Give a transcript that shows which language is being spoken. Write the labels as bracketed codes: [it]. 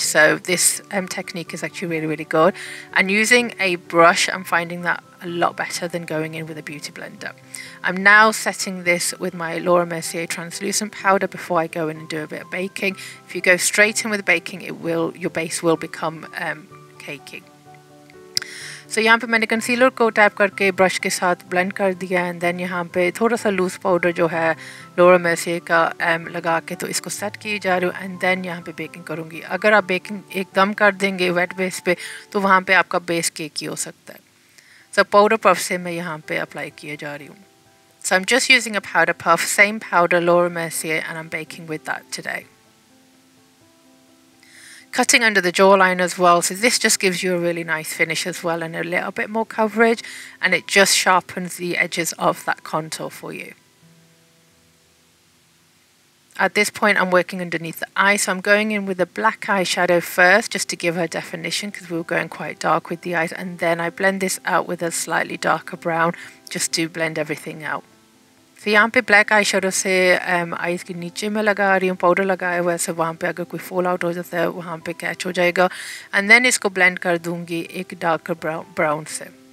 [en] So this technique is actually really, really good. And using a brush, I'm finding that a lot better than going in with a beauty blender. I'm now setting this with my Laura Mercier translucent powder before I go in and do a bit of baking. If you go straight in with baking, it will, your base will become cakey. [ur] So یہاں پہ میں نے concealer کو tap کرکے brush کے ساتھ blend کر دیا، and then یہاں پہ تھوڑا سا loose powder جو ہے Laura Mercier کا لگا کے تو اسکو set کی جا رہی ہوں، and then یہاں پہ baking کروں گی. اگر آپ baking ایکدم کر دیں گے wet base پہ تو وہاں پہ آپکا base cakey ہو سکتا ہے. So powder puff سے میں یہاں پہ apply کیا جا رہی ہوں. [en] So I'm just using a powder puff, same powder, Laura Mercier, and I'm baking with that today. Cutting under the jawline as well. So this just gives you a really nice finish as well and a little bit more coverage, and it just sharpens the edges of that contour for you. At this point, I'm working underneath the eye. So I'm going in with a black eyeshadow first, just to give her definition, because we were going quite dark with the eyes. And then I blend this out with a slightly darker brown, just to blend everything out. [ur] So یہاں پہ black eyeshadow سے eyes کے نیچے میں لگا رہی ہوں، powder لگایا ہوا ہے، so وہاں پہ اگر کوئی fallout ہو جاتا ہے، وہاں پہ catch ہو جائے گا. And then اسکو blend کر دوں گی ایک darker brown سے.